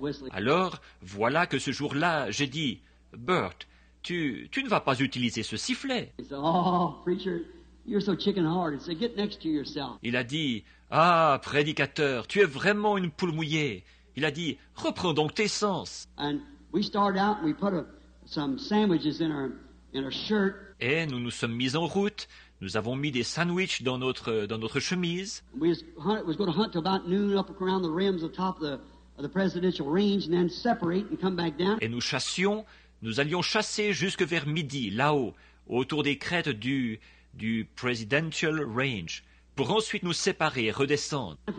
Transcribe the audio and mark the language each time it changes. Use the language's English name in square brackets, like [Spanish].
[French] Alors, voilà que ce jour-là, j'ai dit, Bert, tu ne vas pas utiliser ce sifflet. [English] Oh, preacher. You're so chicken-hearted. Say, get next to yourself. [French] Il a dit, ah, prédicateur, tu es vraiment une poule mouillée. Il a dit, reprends donc tes sens. [English] And we started out and we put some sandwiches in our shirt. [French] Et nous nous sommes mis en route. Nous avons mis des sandwichs dans notre chemise. [English] We was going to hunt till about noon up around the rims on top of the presidential range and then separate and come back down. [French] Et nous chassions. Nous allions chasser jusque vers midi, là-haut, autour des crêtes du Presidential Range, pour ensuite nous séparer et redescendre.